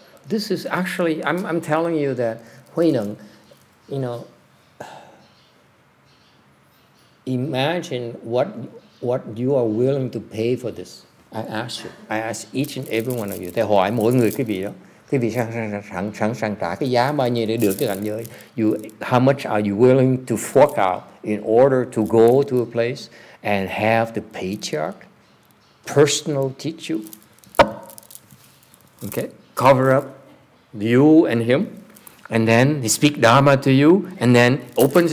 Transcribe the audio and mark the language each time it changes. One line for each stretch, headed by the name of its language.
English: This is actually, I'm telling you that HuiNeng, you know, imagine what you are willing to pay for this. I ask each and every one of you.
Vietnamese: Tôi hỏi mỗi người cái vị đó, cái vị sẵn sàng trả cái giá bao nhiêu để được cái cảnh giới.
English: You, how much are you willing to fork out in order to go to a place and have the patriarch personal teach you? Okay, cover up you and him, and then he speak dharma to you, and then opens.